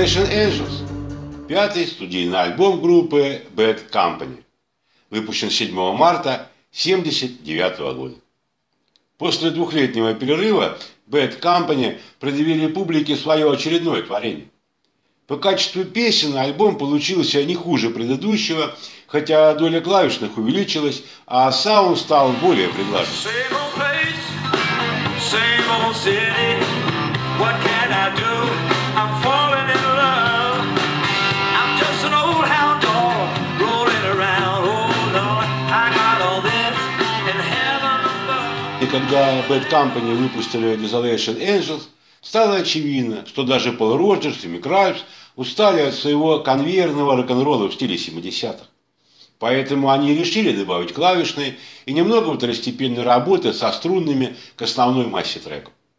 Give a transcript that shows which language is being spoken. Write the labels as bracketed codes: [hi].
[ru] Angels, пятый студийный альбом группы Bad Company, выпущен 7 марта 1979 года. После двухлетнего перерыва Bad Company предъявили публике свое очередное творение. По качеству песен альбом получился не хуже предыдущего, хотя доля клавишных увеличилась, а саунд стал более приглашенным. [en] Same old place, same old city. What can I do? I'm falling in love. I'm just an old hound dog rolling around. Oh Lord, I got all this in heaven above. [ru] И когда Bad Company выпустили Desolation Angels, стало очевидно, что даже Пол Роджерс и Микрайбс устали от своего конвейерного рок-н-ролла в стиле 70-х. Поэтому они решили добавить клавишные и немного второстепенной работы со струнными к основной массе треков.